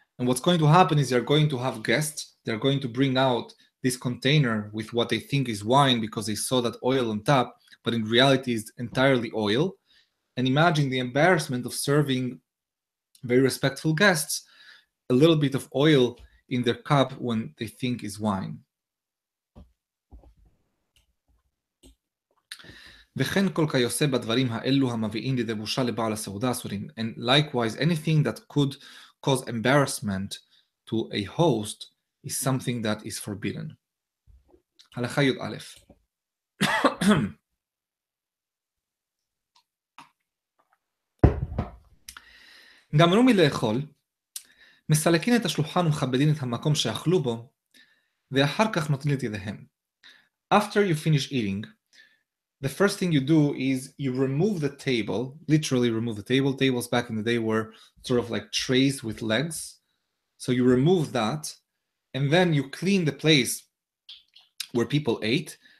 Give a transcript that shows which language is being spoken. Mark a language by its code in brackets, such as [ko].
[en] And what's going to happen is they're going to have guests. They're going to bring out this container with what they think is wine because they saw that oil on top, but in reality it's entirely oil. And imagine the embarrassment of serving very respectful guests a little bit of oil in their cup when they think is wine. [he] וכן כל כיוסה בדברים האלו המביאים לידי בושה לבעל הסעודה אסורים. [en] And likewise, anything that could cause embarrassment to a host is something that is forbidden. [he] הלכה יוד א'. גמרו מלאכול, מסלקין את השלוחן ומכבדין את המקום שאכלו בו, ואחר כך נותנים את ידיהם. [en] After you finish eating, the first thing you do is you remove the table, literally remove the table. Tables back in the day were sort of like trays with legs. So you remove that, and then you clean the place where people ate,